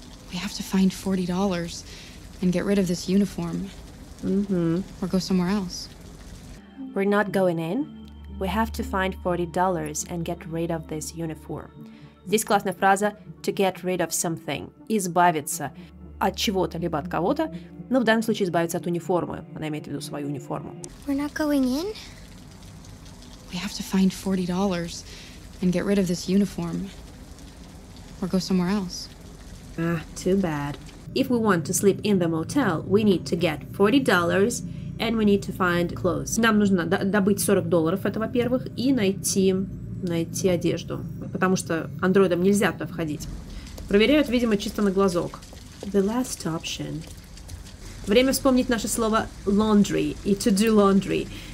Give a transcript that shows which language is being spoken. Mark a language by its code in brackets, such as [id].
[en] We have to find $40 and get rid of this uniform. Mm-hmm. Or go somewhere else. We're not going in. We have to find $40 and get rid of this uniform. [ru] Здесь классная фраза [en] to get rid of something. [ru] Избавиться от чего-то либо от кого-то, но в данном случае избавиться от униформы. Она имеет в виду свою униформу. [en] We're not going in. We have to find $40. And get rid of this uniform. Or go somewhere else. Ah, too bad. If we want to sleep in the motel, we need to get $40 and we need to find clothes. [ru] Нам нужно добыть $40, это во-первых, и найти одежду. Потому что андроидам нельзя туда входить. Проверяют, видимо, чисто на глазок. [en] The last option. [ru] Время вспомнить наше слово laundry и to do laundry.